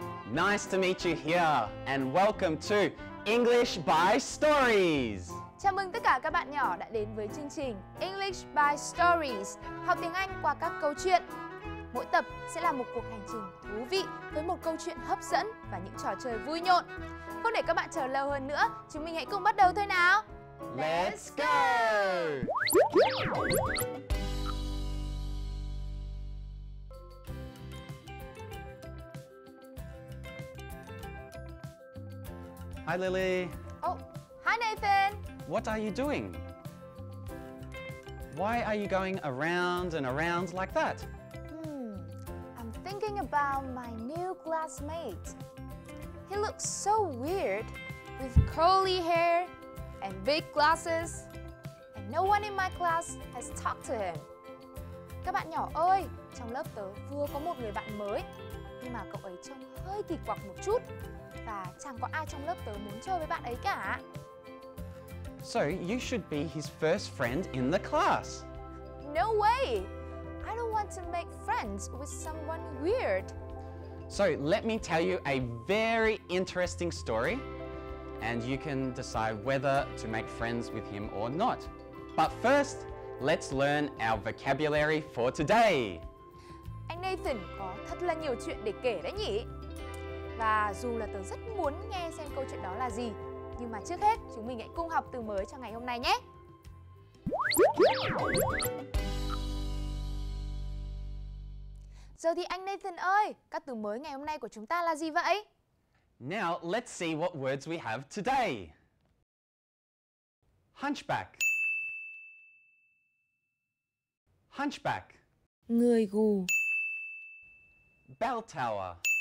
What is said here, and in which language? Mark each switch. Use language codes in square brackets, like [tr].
[en] Nice to meet you here and welcome to English by Stories. [vi] Chào mừng tất cả các bạn nhỏ đã đến với chương trình English by Stories, học tiếng Anh qua các câu chuyện. Mỗi tập sẽ là một cuộc hành trình thú vị với một câu chuyện hấp dẫn và những trò chơi vui nhộn. Không để các bạn chờ lâu hơn nữa, chúng mình hãy cùng bắt đầu thôi nào. [en] Let's go! Hi Lily. Oh, hi Nathan. What are you doing? Why are you going around and around like that? I'm thinking about my new classmate. He looks so weird, with curly hair and big glasses, and no one in my class has talked to him. [vi] Các bạn nhỏ ơi, trong lớp tớ vừa có một người bạn mới, nhưng mà cậu ấy trông hơi kỳ quặc một chút. Và chẳng có ai trong lớp tớ muốn chơi với bạn ấy cả. [en] So you should be his first friend in the class. No way! I don't want to make friends with someone weird. So let me tell you a very interesting story and you can decide whether to make friends with him or not. But first, let's learn our vocabulary for today. [vi] Anh Nathan có thật là nhiều chuyện để kể đấy nhỉ? Và dù là tớ rất muốn nghe xem câu chuyện đó là gì, nhưng mà trước hết chúng mình hãy cùng học từ mới cho ngày hôm nay nhé. Giờ thì anh Nathan ơi, các từ mới ngày hôm nay của chúng ta là gì vậy? [en] Now let's see what words we have today. Hunchback. Hunchback. [vi] Người gù. [en] Bell tower.